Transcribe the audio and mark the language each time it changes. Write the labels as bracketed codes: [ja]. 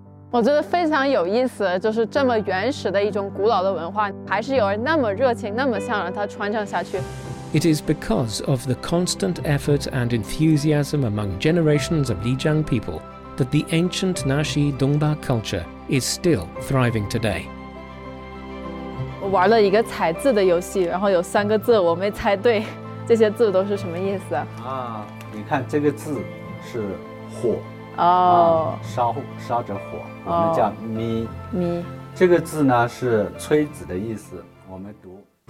[zh] 我觉得非常有意思，就是这么原始的一种古老的文化，还是有人那么热情，那么向着它传承下去。 [en] It is because of the constant effort and enthusiasm among generations of Lijiang people that the ancient Naxi Dongba culture is still thriving today. [zh] 玩了一个猜字的游戏，然后有三个字我没猜对，这些字都是什么意思？啊，你看这个字是火，哦，烧着火，我们叫 [nxq] mi mi。 [zh] 这个字呢是吹子的意思，我们读。